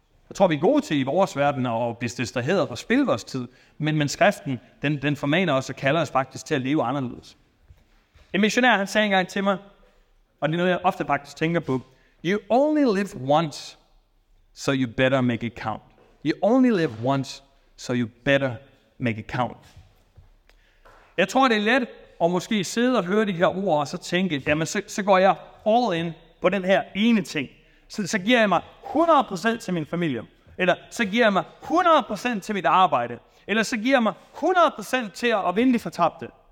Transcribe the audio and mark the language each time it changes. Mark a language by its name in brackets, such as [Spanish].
[Danish] Jeg tror, vi er gode til i vores verden at blive distraheret og spilde vores tid, men skriften, den formaner os og kalder os faktisk til at leve anderledes. En missionær, han sagde engang til mig, og det er noget, jeg ofte faktisk tænker på, [English] you only live once, so you better make it count. You only live once, so you better make it count. [Danish] Jeg tror, det er let at måske sidde og høre de her ord, og så tænke, jamen så går jeg all in på den her ene ting. Så giver jeg mig 100% til min familie. Eller så giver jeg mig 100% til mit arbejde. Eller så giver jeg mig 100% til at vinde de fortabte.